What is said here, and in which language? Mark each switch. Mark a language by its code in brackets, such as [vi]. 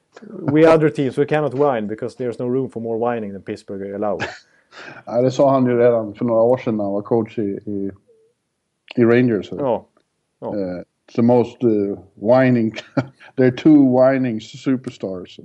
[en] We other teams, we cannot whine because there's no room for more whining than Pittsburgh allows. [sv] Ja, det sa han ju redan för några år sedan när han var coach i Rangers. Ja. [en] It's the most whining. There are two whining superstars.